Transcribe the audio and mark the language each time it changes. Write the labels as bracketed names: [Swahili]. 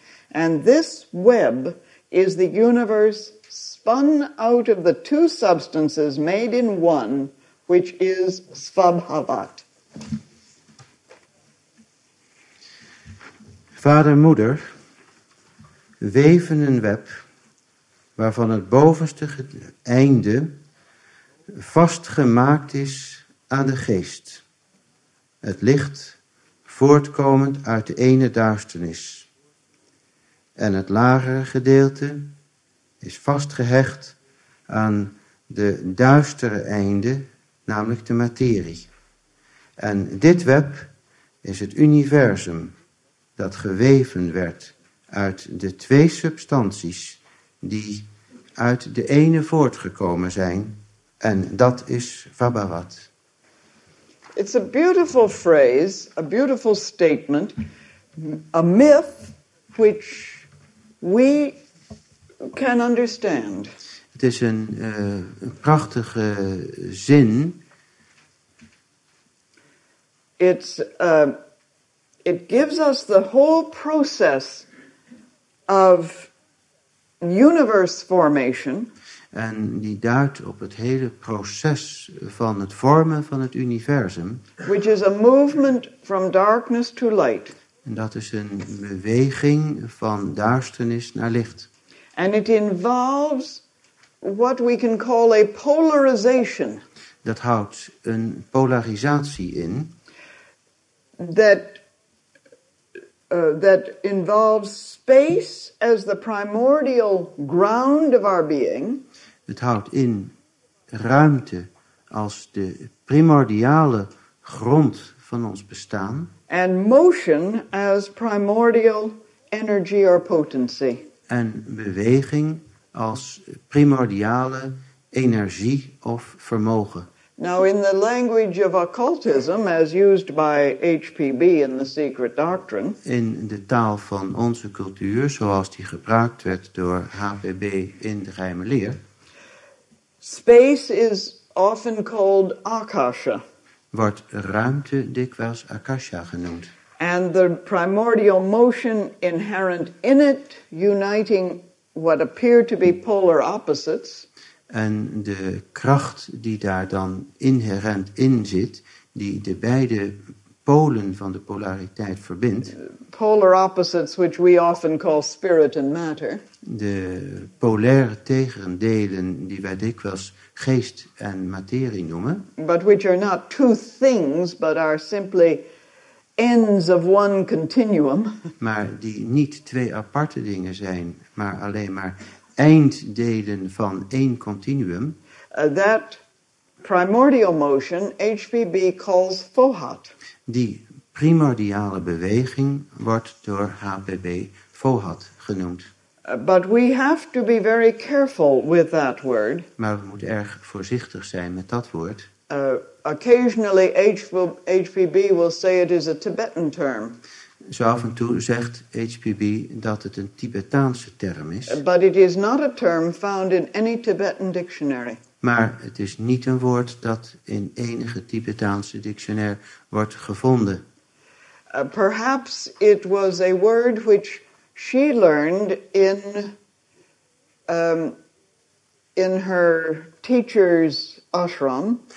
[English] And this web is the universe spun out of the two substances made in one, which is Svabhavat. [Dutch] Vader, moeder, weven een web waarvan het bovenste einde vastgemaakt is aan de geest. Het licht voortkomend uit de ene duisternis. En het lagere gedeelte is vastgehecht aan de duistere einde, namelijk de materie. En dit web is het universum dat geweven werd uit de twee substanties die uit de ene voortgekomen zijn. En dat is Svabhavat. [English] It's a beautiful phrase, a beautiful statement, a myth which we can understand. [Dutch] Het is een prachtige zin. [English] It gives us the whole process of universe formation. [Dutch] En die duidt op het hele proces van het vormen van het universum. [English] Which is a movement from darkness to light. [Dutch] En dat is een beweging van duisternis naar licht. [English] And it involves what we can call a polarization. [Dutch] Dat houdt een polarisatie in. [English] That involves space as the primordial ground of our being. [Dutch] Het houdt in ruimte als de primordiale grond van ons bestaan. [English] And motion as primordial energy or potency. [Dutch] En beweging als primordiale energie of vermogen. [English] Now in the language of occultism as used by HPB in the Secret Doctrine. [Dutch] In de taal van onze cultuur zoals die gebruikt werd door HPB in de geheime leer. [English] Space is often called Akasha. [Dutch] Wordt ruimte dikwijls Akasha genoemd. [English] And the primordial motion inherent in it, uniting what appear to be polar opposites. [Dutch] En de kracht die daar dan inherent in zit, die de beide polen van de polariteit verbindt. [English] Polar opposites, which we often call spirit and matter. [Dutch] De polaire tegendelen die wij dikwijls geest en materie noemen. [English] But which are not two things, but are simply ends of one continuum. [Dutch] Maar die niet twee aparte dingen zijn, maar alleen maar einddelen van één continuum. [English] That primordial motion HPB calls Fohat. [Dutch] Die primordiale beweging wordt door HPB Fohat genoemd. [English] But we have to be very careful with that word. [Dutch] Maar we moeten erg voorzichtig zijn met dat woord. [English] Occasionally HPB will say it is a Tibetan term. [Dutch] Zo af en toe zegt HPB dat het een Tibetaanse term is. [English] But it is not a term found in any Tibetan dictionary. [Dutch] Maar het is niet een woord dat in enige Tibetaanse dictionair wordt gevonden. [English] Perhaps it was a word which she learned in her teacher's ashram.